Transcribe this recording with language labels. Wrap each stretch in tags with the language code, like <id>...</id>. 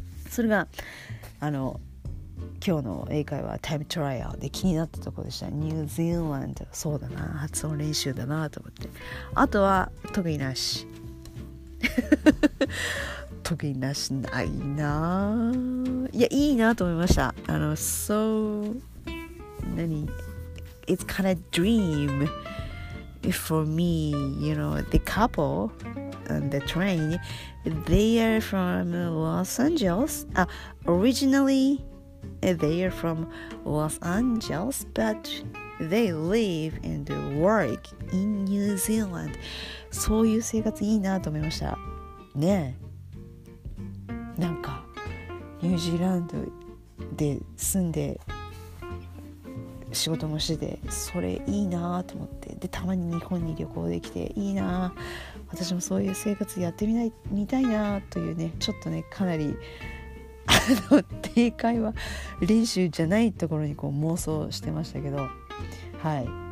<ja>それがあの今日の英会話タイムトライアルで気になったところでした。ニュージーランド、そうだな、発音練習だなと思って、あとは特になしトゲなしないな。いや、いいなと思いました。あの、そう、何、</ja> <en>It's kind of dream for me, you know, the couple on the train, they are from Los Angeles. Originally, they are from Los Angeles, but they live and work in New Zealand.</en> <ja>そういう生活いいなと思いました。ねえ、なんかニュージーランドで住んで仕事もしてて、それいいなと思って、でたまに日本に旅行できていいな、私もそういう生活やってみない、見たいなというね、ちょっとね、かなりあの定会話練習じゃないところにこう妄想してましたけど、はい、</ja>